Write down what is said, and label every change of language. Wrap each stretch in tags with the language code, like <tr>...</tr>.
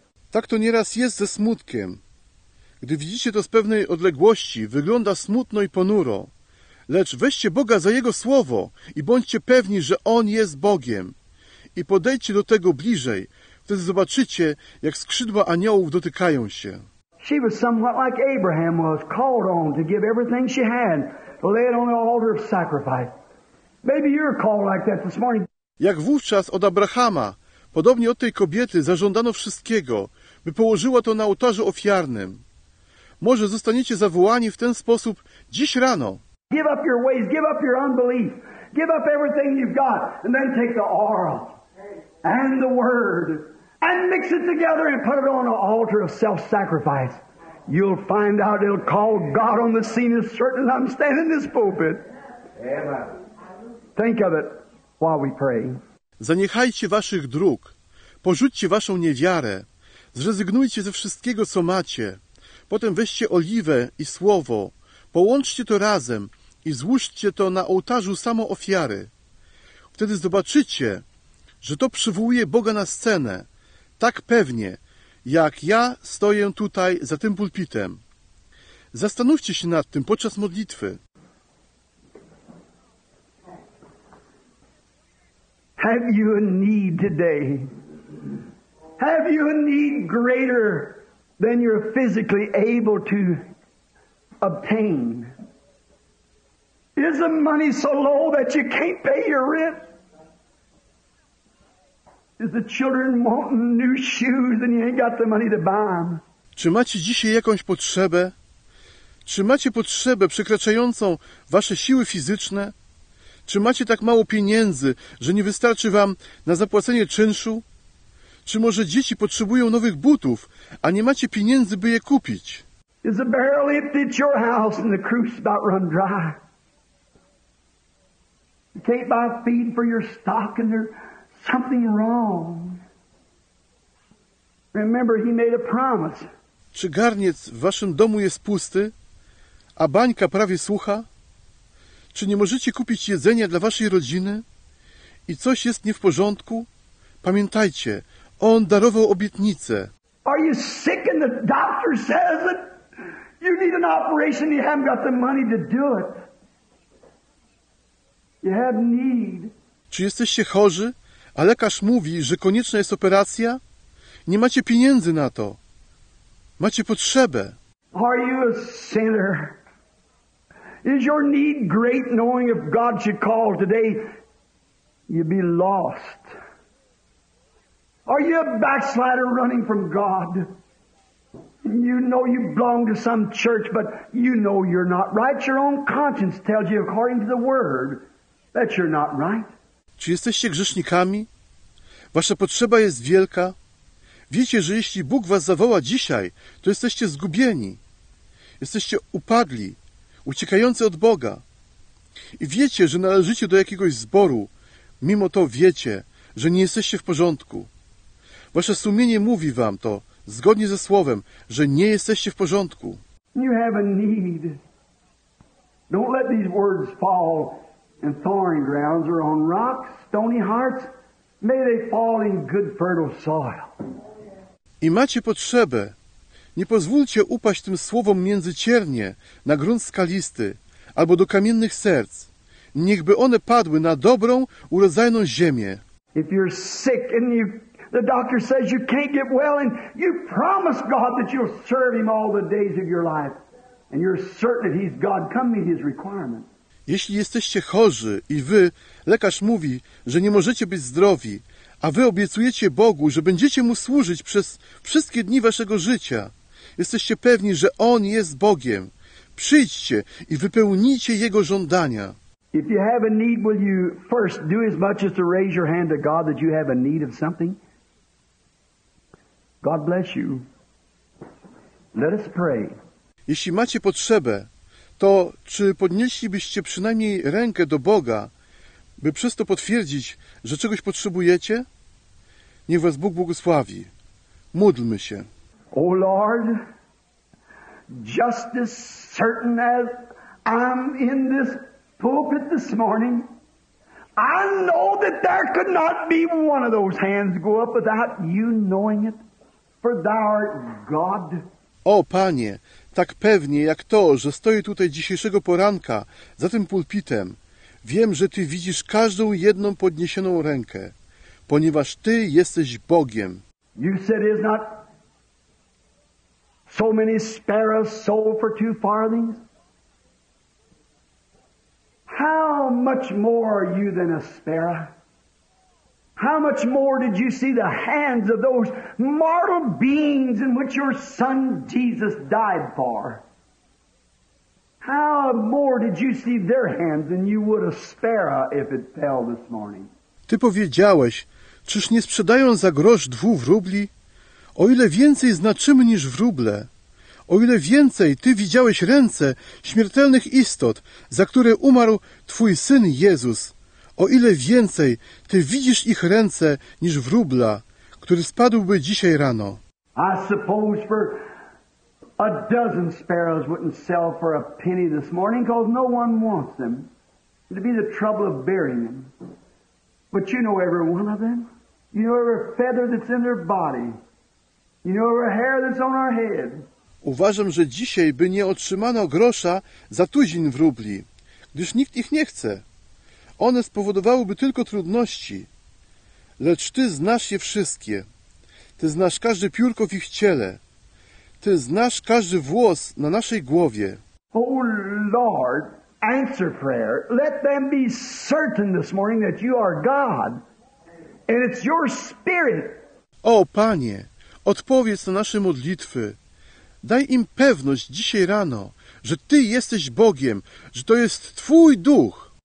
<pl>Tak to nieraz jest ze smutkiem. Gdy widzicie to z pewnej odległości, wygląda smutno i ponuro. Lecz weźcie Boga za Jego słowo i bądźcie pewni, że On jest Bogiem. I podejdźcie do tego bliżej. Wtedy zobaczycie, jak skrzydła aniołów dotykają się.</pl> <en>She was somewhat like Abraham was, called on to give everything she had, to lay it on the altar of sacrifice. Maybe you're called like that this morning.</en> <pl>Jak wówczas od Abrahama, podobnie od tej kobiety zażądano wszystkiego, by położyła to na ołtarzu ofiarnym. Może zostaniecie zawołani w ten sposób dziś rano.</pl> <en>Give up your ways, give up your unbelief, give up everything you've got, and then take the oil and the word and mix it together and put it on an altar of self-sacrifice. You'll find out it'll call God on the scene as certain as I'm standing in this pulpit. Amen. Think of it while we pray.</en> <pl>Zaniechajcie waszych dróg. Porzućcie waszą niewiarę. Zrezygnujcie ze wszystkiego, co macie. Potem weźcie oliwę i słowo. Połączcie to razem i złóżcie to na ołtarzu samo ofiary. Wtedy zobaczycie, że to przywołuje Boga na scenę. Tak pewnie, jak ja stoję tutaj za tym pulpitem. Zastanówcie się nad tym podczas modlitwy.</pl> <en>Have you a need today? Have you a need greater than you're physically able to obtain? Is the money so low that you can't pay your rent? Is the children wanting new shoes and you ain't got the money to buy them?</en> <pl>Czy macie dzisiaj jakąś potrzebę? Czy macie potrzebę przekraczającą wasze siły fizyczne? Czy macie tak mało pieniędzy, że nie wystarczy wam na zapłacenie czynszu? Czy może dzieci potrzebują nowych butów, a nie macie pieniędzy, by je kupić?</pl> <en>Is the barrel empty at your house and the crew's about run dry? You can't buy feed for your stock and there's something wrong. Remember, he made a promise.</en> <pl>czy garniec w waszym domu jest pusty, a bańka prawie sucha? Czy nie możecie kupić jedzenia dla waszej rodziny i coś jest nie w porządku? Pamiętajcie, on darował obietnicę.</pl> <en>Are you sick and the doctor says that you need an operation and you haven't got the money to do it? You have need.</en> <pl>Czy jesteście chorzy, a lekarz mówi, że konieczna jest operacja? Nie macie pieniędzy na to. Macie potrzebę.</pl> <en>Are you a sinner? Is your need great, knowing if God should call today, you'd be lost? Are you a backslider running from God? You know you belong to some church, but you know you're not right. Your own conscience tells you, according to the Word, that you're not right.</en> <pl>Czy jesteście grzesznikami? Wasza potrzeba jest wielka. Wiecie, że jeśli Bóg was zawoła dzisiaj, to jesteście zgubieni. Jesteście upadli, uciekający od Boga. I wiecie, że należycie do jakiegoś zboru. Mimo to wiecie, że nie jesteście w porządku. Wasze sumienie mówi wam to, zgodnie ze Słowem, że nie jesteście w porządku.</pl> <en>You have a need. Don't let these words fall in thorny grounds or on rocks, stony hearts. May they fall in good fertile soil.</en> <pl>I macie potrzebę. Nie pozwólcie upaść tym słowom między ciernie, na grunt skalisty, albo do kamiennych serc. Niechby one padły na dobrą, urodzajną ziemię.</pl> <en>If you're sick and you, the doctor says you can't get well and you promise God that you'll serve him all the days of your life and you're certain that he's God, come meet his requirement.</en> <pl>Jeśli jesteście chorzy i wy, lekarz mówi, że nie możecie być zdrowi, a wy obiecujecie Bogu, że będziecie Mu służyć przez wszystkie dni waszego życia. Jesteście pewni, że On jest Bogiem. Przyjdźcie i wypełnijcie Jego żądania.</pl> <en>If you have a need, will you first do as much as to raise your hand to God that you have a need of something? God bless you. Let us pray.</en> <pl>Jeśli macie potrzebę, to czy podnieślibyście przynajmniej rękę do Boga, by przez to potwierdzić, że czegoś potrzebujecie? Niech was Bóg błogosławi. Módlmy się.</pl> <en>O Lord, just as certain as I'm in this pulpit this morning, I know that there could not be one of those hands go up without you knowing it, for thou art God.</en> <pl>O Panie, tak pewnie jak to, że stoję tutaj dzisiejszego poranka za tym pulpitem, wiem, że Ty widzisz każdą jedną podniesioną rękę, ponieważ Ty jesteś Bogiem.</pl> <en>You said is not so many sparrows sold for two farthings? How much more are you than a sparrow? How much more did you see the hands of those mortal beings in which your son Jesus died for? How more did you see their hands than you would a sparrow if it fell this morning?</en> <pl>Ty powiedziałeś, czyż nie sprzedają za grosz dwóch wróbli? O ile więcej znaczymy niż wróble? O ile więcej Ty widziałeś ręce śmiertelnych istot, za które umarł Twój Syn Jezus? O ile więcej Ty widzisz ich ręce niż wróbla, który spadłby dzisiaj rano?</pl> <en>I suppose for a dozen sparrows wouldn't sell for a penny this morning, because no one wants them. It'd be the trouble of burying them. But you know every one of them. You know every feather that's in their body. You know every hair that's on our head.</en> <pl>Uważam, że dzisiaj by nie otrzymano grosza za tuzin wróbli, gdyż nikt ich nie chce. One spowodowałyby tylko trudności. Lecz Ty znasz je wszystkie. Ty znasz każde piórko w ich ciele. Ty znasz każdy włos na naszej głowie.</pl> <en>O Lord, answer prayer. Let them be certain this morning that you are God and it's your spirit.</en> <pl>O Panie, odpowiedz na nasze modlitwy. Daj im pewność dzisiaj rano, że Ty jesteś Bogiem, że to jest Twój Duch.</pl>